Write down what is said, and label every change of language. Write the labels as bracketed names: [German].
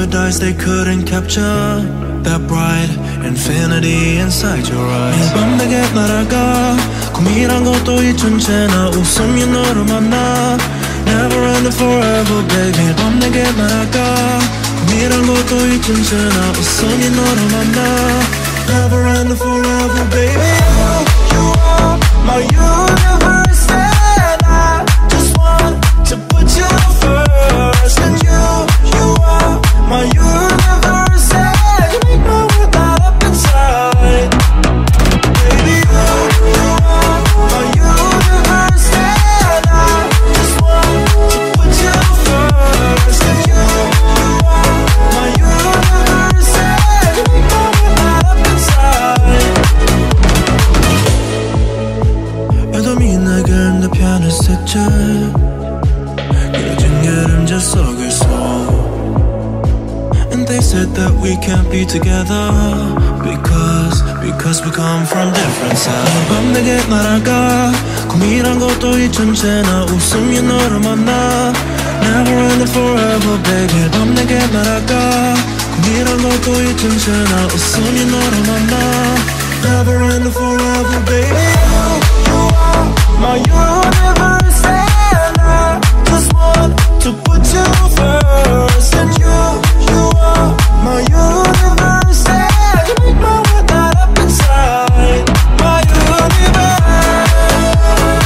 [English] They couldn't capture that bright infinity inside your eyes. [Korean] 매일 밤 내게 날아가 꿈이란 것도 잊은 채 나 웃으며 너를 만나. [English] Never and forever, baby. [Korean] 매일 밤 내게 날아가 꿈이란 것도 잊은 채 나 웃으며 너를 만나. [English] Never and forever, baby. You are my universe, and I just want to put you first. And you are my universe, and you make my world light up inside. Baby, you are my universe, and I just want to put you first. And you are my universe, and you make my world light up inside. [Korean] 어둠이 내게 내 편을 스쳐 그려진 그림자 속에서. [English] They said that we can't be together because we come from different sides. [Korean] 매일 밤 내게 날아가 꿈이란 것도 잊은 채 나 웃으며 너를 만나. [English] Never and forever, baby. [Korean] 매일 밤 내게 날아가 꿈이란 것도 잊은 채 나 웃으며 너를 만나. [English] Never and forever, baby. You are my universe, and I just want to put you first. And you are my universe, and you make my world light up inside. My universe.